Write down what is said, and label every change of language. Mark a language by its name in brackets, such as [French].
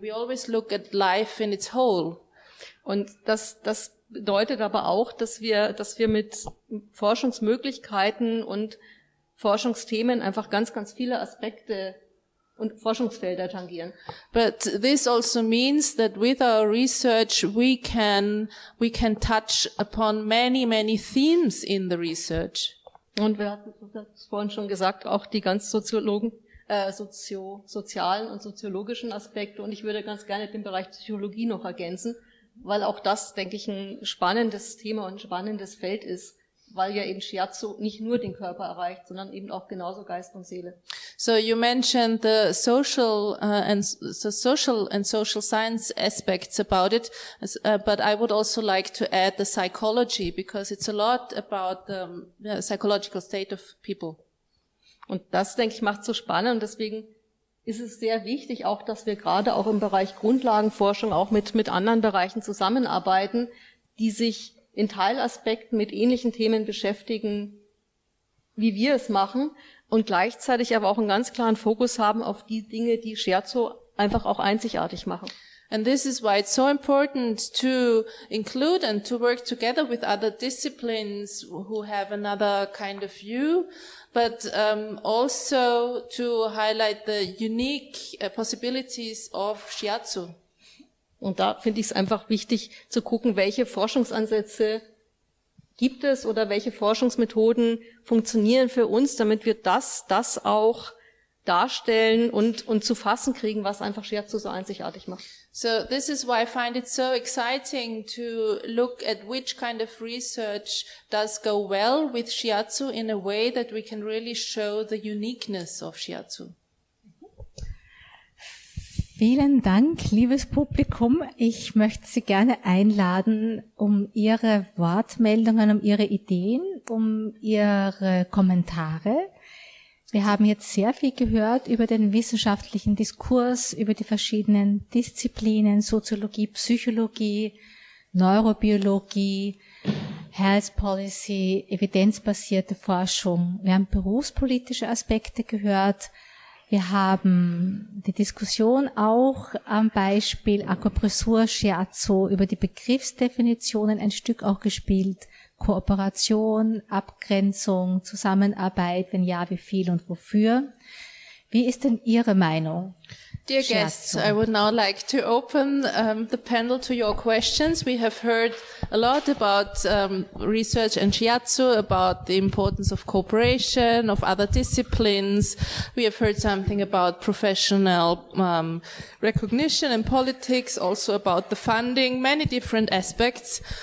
[English] We always look at life in its whole. [German] Und das bedeutet aber auch, dass wir mit Forschungsmöglichkeiten und Forschungsthemen einfach ganz, ganz viele Aspekte und Forschungsfelder tangieren. [English] But this also means that with our research we can touch upon many, many themes in the research. [German] Und wir hatten das vorhin schon gesagt, auch die ganzen Soziologen sozialen und soziologischen Aspekte. Und ich würde ganz gerne den Bereich Psychologie noch ergänzen, weil auch das, denke ich, ein spannendes Thema und ein spannendes Feld ist, weil ja eben Shiatsu nicht nur den Körper erreicht, sondern eben auch genauso Geist und Seele. [English] So you mentioned the social social science aspects about it, but I would also like to add the psychology, because it's a lot about the psychological state of people. [German] Und das, denke ich, macht es so spannend. Und deswegen ist es sehr wichtig auch, dass wir gerade auch im Bereich Grundlagenforschung auch mit anderen Bereichen zusammenarbeiten, die sich in Teilaspekten mit ähnlichen Themen beschäftigen, wie wir es machen, und gleichzeitig aber auch einen ganz klaren Fokus haben auf die Dinge, die Shiatsu einfach auch einzigartig machen. [English] And this is why it's so important to include and to work together with other disciplines who have another kind of view, but also to highlight the unique possibilities of Shiatsu. [German] Und da finde ich es einfach wichtig zu gucken, welche Forschungsansätze gibt es oder welche Forschungsmethoden funktionieren für uns, damit wir das auch darstellen und zu fassen kriegen, was einfach Shiatsu so einzigartig macht. [English] So this is why I find it so exciting to look at which kind of research does go well with Shiatsu in a way that we can really show the uniqueness of Shiatsu. [German] Vielen Dank, liebes Publikum. Ich möchte Sie gerne einladen, um Ihre Wortmeldungen, um Ihre Ideen, um Ihre Kommentare. Wir haben jetzt sehr viel gehört über den wissenschaftlichen Diskurs, über die verschiedenen Disziplinen, Soziologie, Psychologie, Neurobiologie, Health Policy, evidenzbasierte Forschung. Wir haben berufspolitische Aspekte gehört. Wir haben die Diskussion auch am Beispiel Akupressur, Shiatsu über die Begriffsdefinitionen ein Stück auch gespielt. Kooperation, Abgrenzung, Zusammenarbeit, wenn ja, wie viel und wofür. Wie ist denn Ihre Meinung? [English] Dear guests, I would now like to open the panel to your questions. We have heard a lot about research and Shiatsu, about the importance of cooperation, of other disciplines. We have heard something about professional recognition and politics, also about the funding, many different aspects.